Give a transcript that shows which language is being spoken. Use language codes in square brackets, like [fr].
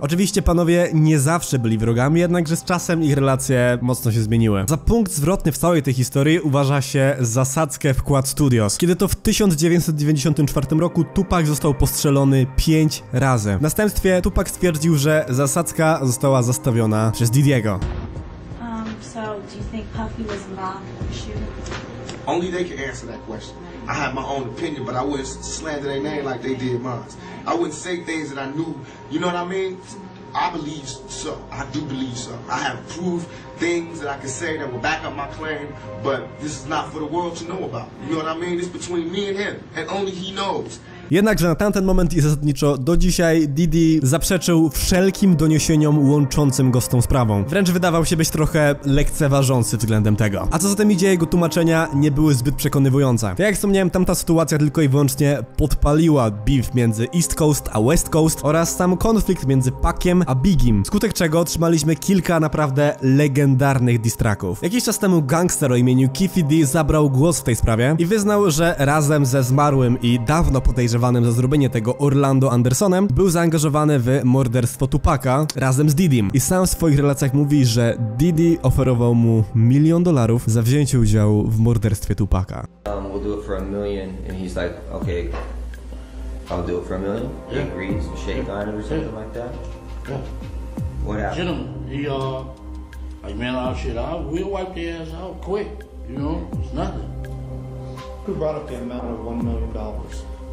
[pl] Oczywiście panowie nie zawsze byli wrogami, jednakże z czasem ich relacje mocno się zmieniły. Za punkt zwrotny w całej tej historii uważa się zasadzkę w Quad Studios, kiedy to w 1994 roku Tupac został postrzelony 5 razy. W następstwie Tupac stwierdził, że zasadzka została zastawiona przez Didiego. [en] So do you think Puffy was involved in the shooting? Only they can answer that question. I had my own opinion, but I wouldn't slander their name like they did mine. I wouldn't say things that I knew, you know what I mean? I believe so. I do believe so. I have proof, things that I can say that will back up my claim, but this is not for the world to know about. You know what I mean? It's between me and him, and only he knows. [pl] Jednakże na tamten moment i zasadniczo do dzisiaj Diddy zaprzeczył wszelkim doniesieniom łączącym go z tą sprawą. Wręcz wydawał się być trochę lekceważący względem tego. A co zatem idzie, jego tłumaczenia nie były zbyt przekonywujące. Tak jak wspomniałem, tamta sytuacja tylko i wyłącznie podpaliła beef między East Coast a West Coast oraz sam konflikt między Pac-iem a Biggiem, skutek czego otrzymaliśmy kilka naprawdę legendarnych diss tracków. Jakiś czas temu gangster o imieniu Keefy D zabrał głos w tej sprawie i wyznał, że razem ze zmarłym i dawno podejrzanym za zrobienie tego Orlando Andersonem był zaangażowany w morderstwo Tupaca razem z Diddym. I sam w swoich relacjach mówi, że Diddy oferował mu $1,000,000 za wzięcie udziału w morderstwie Tupaca. [en] We'll do it for a million. And he's like, okay, I'll do it for a million. He agrees, shake on it or something like that. Yeah. What happened? Gentlemen, he made a lot of shit out. We wiped the ass out quick, you know, it's nothing. Who brought up the amount of $1,000,000?